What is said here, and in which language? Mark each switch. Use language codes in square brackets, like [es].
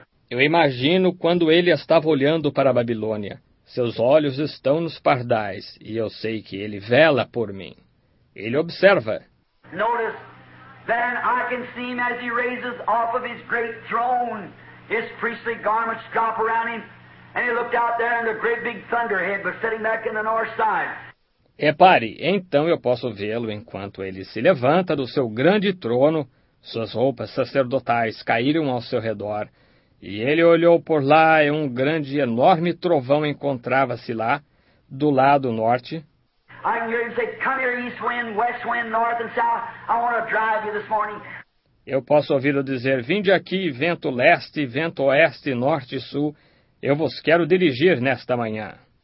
[pt] Eu imagino quando ele estava olhando para a Babilônia. Seus olhos estão nos pardais, e eu sei que ele vela por mim. Ele observa. [en] Notice, then I can see him as he raises off of his great throne. His priestly garments drop around him. And he looked out there and the great big thunderhead was sitting back in the north side. [pt] Repare, então eu posso vê-lo enquanto ele se levanta do seu grande trono, suas roupas sacerdotais caíram ao seu redor, e ele olhou por lá e um grande e enorme trovão encontrava-se lá, do lado norte. [en] I can hear him say, come here east wind, west wind, north and south, I want to drive you this morning. [pt] Eu posso ouvi-lo dizer, vinde aqui, vento leste, vento oeste, norte e sul, eu vos quero dirigir nesta manhã.